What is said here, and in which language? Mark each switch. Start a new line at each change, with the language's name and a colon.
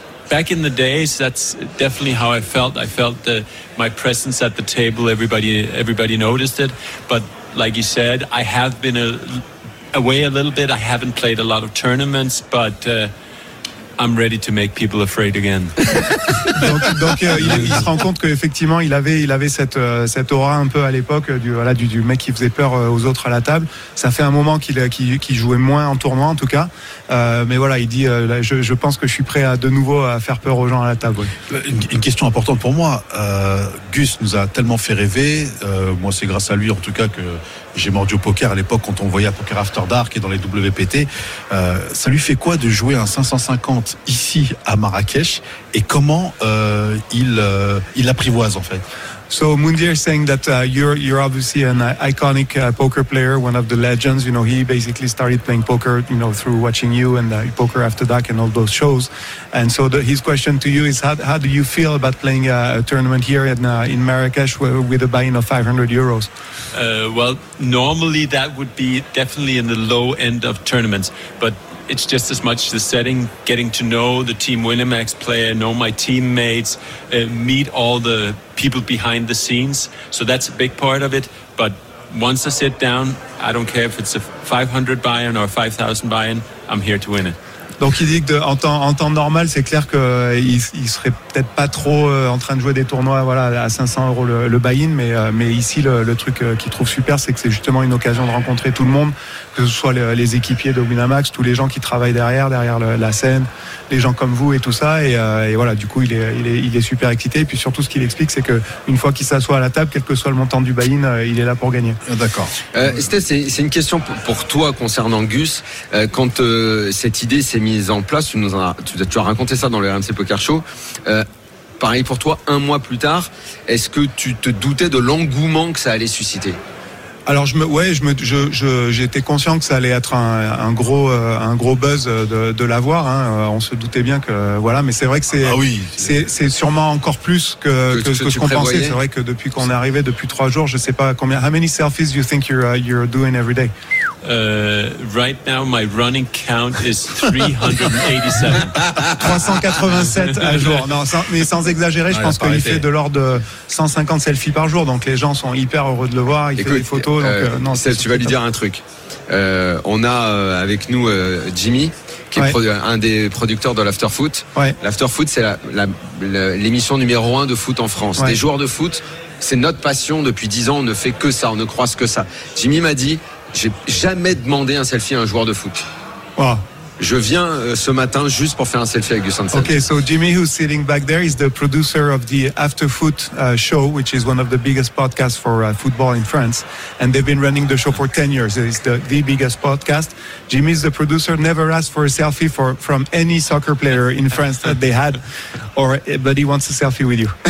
English: Back in the days, that's definitely how I felt. I felt my presence at the table, everybody noticed it. But like you said, I have been away a little bit. I haven't played a lot of tournaments, but I'm ready to make people afraid again.
French: Donc il se rend compte qu'effectivement il avait cette aura un peu à l'époque du mec qui faisait peur aux autres à la table. Ça fait un moment qu'il jouait moins en tournoi en tout cas, mais voilà, il dit je pense que je suis prêt à de nouveau à faire peur aux gens à la table. Oui. Une question importante pour moi, Gus nous a tellement fait rêver, moi c'est grâce à lui en tout cas que j'ai mordu au poker à l'époque quand on voyait à Poker After Dark et dans les WPT. Ça lui fait quoi de jouer un 550 ici à Marrakech et comment il l'apprivoise en fait?
English: So Mundir is saying that you're obviously an iconic poker player, one of the legends. He basically started playing poker, through watching you and Poker After Dark and all those shows. And so his question to you is, how do you feel about playing a tournament here in Marrakech with a buy-in of 500 euros? Well, normally that would be definitely in the low end of tournaments, but it's just as much the setting, getting to know the Team Winamax player, know my teammates, meet all the people behind the scenes. So that's a big part of it. But once I sit down, I don't care if it's a 500 buy-in or a 5,000 buy-in, I'm here to win it.
French: Donc il dit que en temps normal, c'est clair qu'il serait peut-être pas trop en train de jouer des tournois à 500 euros le buy-in, mais ici le truc qu'il trouve super, c'est que c'est justement une occasion de rencontrer tout le monde, que ce soit les équipiers de Winamax, tous les gens qui travaillent derrière la scène, les gens comme vous et tout ça, et voilà, du coup il est super excité. Et puis surtout ce qu'il explique, c'est que une fois qu'il s'assoit à la table, quel que soit le montant du buy-in, il est là pour gagner. D'accord. C'est une question pour toi concernant Gus, quand cette idée c'est mise en place, tu as raconté ça dans le RMC Poker Show. Pareil pour toi, un mois plus tard, est-ce que tu te doutais de l'engouement que ça allait susciter? Alors j'étais conscient que ça allait être un gros buzz de l'avoir. Hein. On se doutait bien que voilà, mais c'est vrai que c'est sûrement encore plus que ce qu'on pensait. C'est vrai que depuis qu'on est arrivé, depuis 3 jours, je sais pas combien.
English: How many selfies you think you're doing every day? Right now, my running count is 387.
French: 387 à jour. Non, sans exagérer, je pense qu'il fait de l'ordre de 150 selfies par jour. Donc les gens sont hyper heureux de le voir. Il fait des photos. Tu vas lui dire un truc. On a avec nous Jimmy, qui est un des producteurs de l'After Foot. Ouais. L'After Foot, c'est l'émission numéro 1 de foot en France. Ouais. Des joueurs de foot, c'est notre passion depuis 10 ans. On ne fait que ça, on ne croise que ça. Jimmy m'a dit. J'ai jamais demandé un selfie à un joueur de foot. Wow. Je viens ce matin juste pour faire un selfie avec Gus Hansen.
English: Okay, so Jimmy, who's sitting back there, is the producer of the After Foot show, which is one of the biggest podcasts for football in France. And they've been running the show for 10 years. It's the biggest podcast. Jimmy's the producer, never asked for a selfie from any soccer player in France that they had, but he wants a selfie with you.